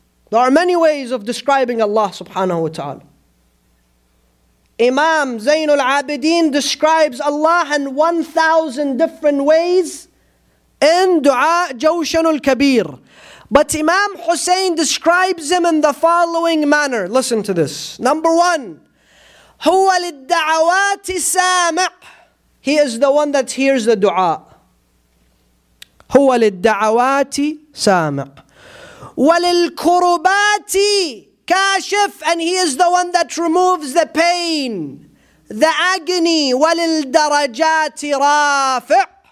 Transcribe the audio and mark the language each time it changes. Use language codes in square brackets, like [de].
[en] There are many ways of describing Allah subhanahu wa ta'ala. Imam Zainul Abideen describes Allah in 1,000 different ways in dua Jawshanul Kabir. But Imam Hussein describes him in the following manner. Listen to this. Number one, [ar] هو للدعوات سامع. [en] He is the one that hears the dua. [ar] هو للدعوات سامع. وللكربات كاشف. [en] And he is the one that removes the pain, the agony. [ar] وللدرجات رافع.